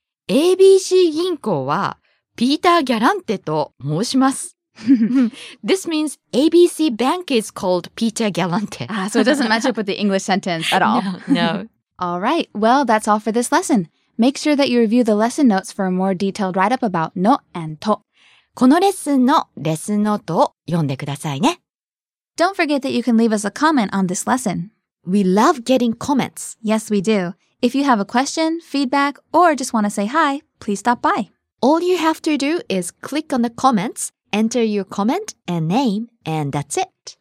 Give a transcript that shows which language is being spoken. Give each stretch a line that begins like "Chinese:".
Japanese: ABC 銀行は Peter Galante と申します。
English: This means ABC Bank is called Peter Galante. So it doesn't match up with the English sentence at all. No. All right. Well, that's all for this lesson. Make sure that you review the lesson notes for a more detailed write-up about のand と.
Japanese: このレッスンのレッスンノートを読んでくださいね.
English: Don't forget that you can leave us a comment on this lesson. We love getting comments. Yes, we do. If you have a question, feedback, or just want to say hi, please stop by. All you have to do is click on the comments. Enter your comment and name, and that's it.